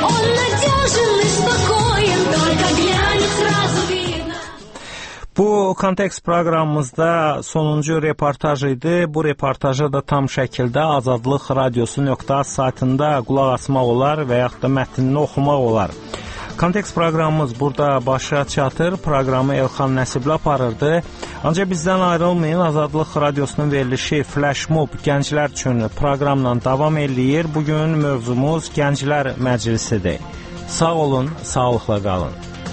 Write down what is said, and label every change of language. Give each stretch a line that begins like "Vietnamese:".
Russian: Он надежен и спокоен. Только глянет сразу видно.
Azerbaijani: По kontekst proqramımızda sonuncu reportaj idi. Bu reportajı da tam şəkildə azadlıqradiosu.az saytında qulaq asmaq olar və yaxud da mətnini oxumaq olar. Kontekst proqramımız burada başa çatır. Proqramı Elxan Nəsiblə aparırdı. Ancaq bizdən ayrılmayın. Azadlıq Radiosunun verilişi Flash Mob gənclər üçün proqramla davam eləyir. Bugün mövzumuz gənclər məclisidir. Sağ olun, sağlıqla qalın.